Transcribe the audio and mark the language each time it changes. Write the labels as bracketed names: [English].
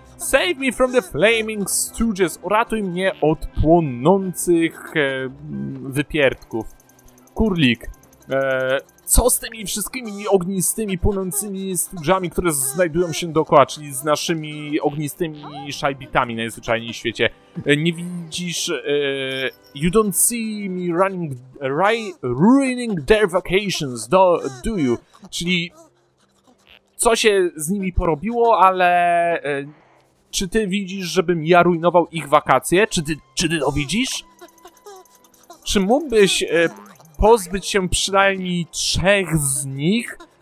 [English] Save me from the flaming stooges, [Polish] uratuj mnie od płonących wypierdków. Kurlik, co z tymi wszystkimi ognistymi, płonącymi stoogami, które znajdują się dookoła, czyli z naszymi ognistymi szajbitami najzwyczajniej w świecie? Nie widzisz... [English] you don't see me running, ruining their vacations, do you? [Polish] Czyli co się z nimi porobiło, ale czy ty widzisz, żebym ja rujnował ich wakacje? Czy ty to widzisz? Czy mógłbyś pozbyć się przynajmniej trzech z nich?